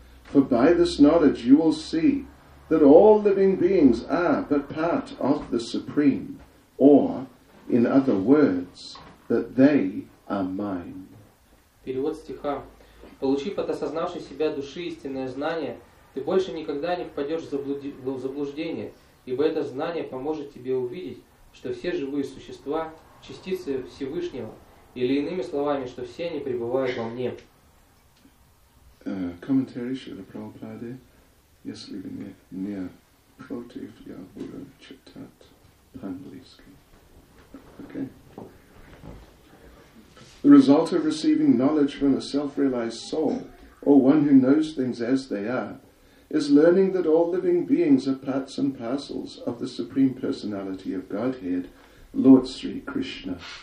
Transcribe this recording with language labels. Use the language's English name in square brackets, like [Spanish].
[English] For by this knowledge you will see that all living beings are but part of the Supreme, or, in other words, that they are mine. [Russian] Перевод стиха. Получив от осознавшей себя души истинное знание, ты больше никогда не впадешь в заблуждение, ибо это знание поможет тебе увидеть, что все живые существа – частицы Всевышнего, или иными словами, что все они пребывают во мне. Комментарий Шрила Прабхупады, если вы не против, я буду читать по-английски. Окей. [English] The result of receiving knowledge from a self-realized soul, or one who knows things as they are, is learning that all living beings are parts and parcels of the Supreme Personality of Godhead, Lord Sri Krishna.